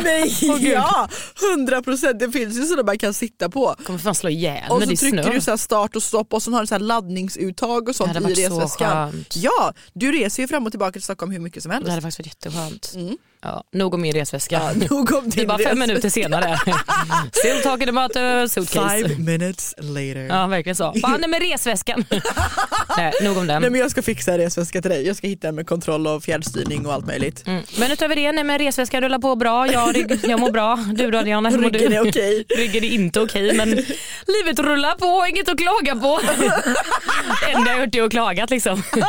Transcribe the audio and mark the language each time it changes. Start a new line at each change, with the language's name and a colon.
Swedish: Nej, ja, 100%. Det finns ju sådana man kan sitta på. Kommer fan slå igen. Och så trycker du så här start och stopp och så har du så här laddningsuttag och sånt i resväskan. Så ja, du reser ju fram och tillbaka till Stockholm hur mycket som helst. Det hade faktiskt varit jätteskönt. Ja, nog om min resväska. Nog om din det är bara 5 minuter senare.
English: Still talking about suitcase. 5 minutes later.
Swedish: Ja, verkligen så. Fan med resväskan. Nej, nog om den. Nej, men jag ska fixa resväska till dig. Jag ska hitta en med kontroll och fjärrstyrning och allt möjligt. Mm. Men utöver det, nej, men resväska rullar på bra. Jag mår bra. Du då, Diana, hur mår du? Ryggen är okej. Ryggen är inte okej, men livet rullar på. Inget att klaga på. Ändå har jag hört dig och klagat liksom.